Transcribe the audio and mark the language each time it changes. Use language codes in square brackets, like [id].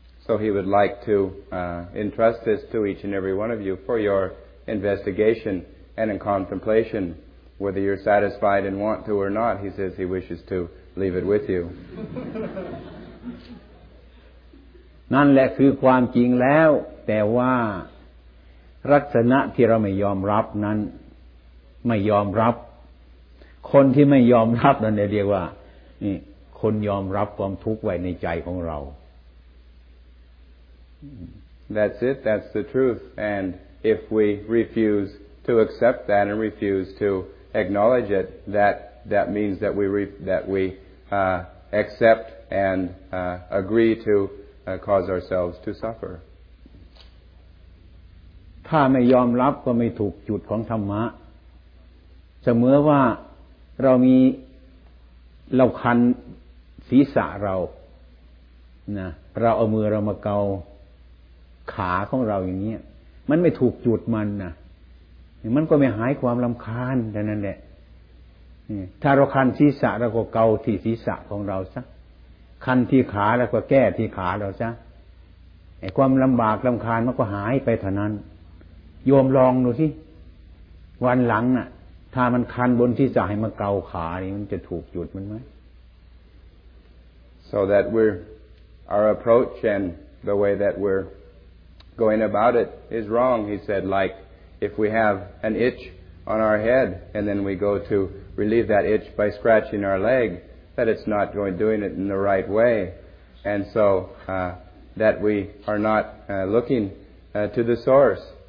[en] So he would like to entrust this to each and every one of you for your investigation and in contemplation, whether you're satisfied and want to or not. He says he wishes to leave it with you. [th] นั่นแหละคือความจริงแล้วแต่ว่าลักษณะที่เราไม่ยอมรับนั้นไม่ยอมรับค นที่ไม่ยอมรับนั่นเรียกว่าคนยอมรับความทุกข์ไว้ในใจของเรา [en] That's it. That's the truth. And if we refuse to accept that and refuse to acknowledge it, that means that we accept and agree to cause ourselves to suffer. [th] ถ้าไม่ยอมรับก็ไม่ถูกจุดของธรรมะเสมอว่าเรามีเราคันศีรษะเรานะเราเอามือเรามาเกาขาของเราอย่างเงี้ยมันไม่ถูกจุดมันนะมันก็ไม่หายความรำคาญแต่นั่นแหละ ถ้าเราคันศีรษะเราก็เกาที่ศีรษะของเราซะคันที่ขาแล้วก็แก้ที่ขาเราซะไอ้ความลำบากรำคาญมันก็หายไปเท่านั้นโยมลองดูสิวันหลังน่ะถ้ามันคันบนที่จะให้มาเกาขานี่มันจะถูกจุดมันไหม [en] So that our approach and the way that we're going about it is wrong, he said. Like if we have an itch on our head and then we go to relieve that itch by scratching our leg, that it's not going doing it in the right way, and so that we are not looking to the source.